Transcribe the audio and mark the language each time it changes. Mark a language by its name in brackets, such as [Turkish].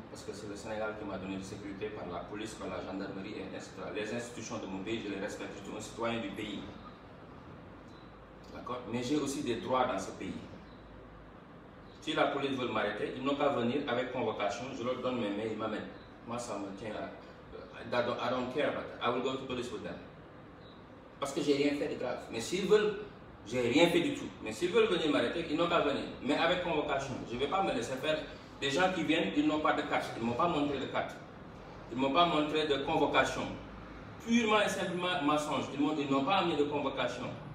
[French] Parce que c'est le Sénégal qui m'a donné la sécurité par la police, par la gendarmerie, etc. Les institutions de mon pays, je les respecte. Je suis un citoyen du pays. D'accord? Mais j'ai aussi des droits dans ce pays. Si la police veut m'arrêter, ils n'ont qu'à venir avec convocation. Je leur donne mes mains, ils m'amènent. Moi, ça me tient à. [English] I don't care about that. I will go to police with them. [French] Parce que j'ai rien fait de grave. Mais s'ils veulent, j'ai rien fait du tout. Mais s'ils veulent venir m'arrêter, ils n'ont qu'à venir. Mais avec convocation. Je ne vais pas me laisser faire. Les gens qui viennent, ils n'ont pas de carte. Ils ne m'ont pas montré de carte. Ils ne m'ont pas montré de convocation. Purement et simplement mensonge. Ils n'ont pas amené de convocation.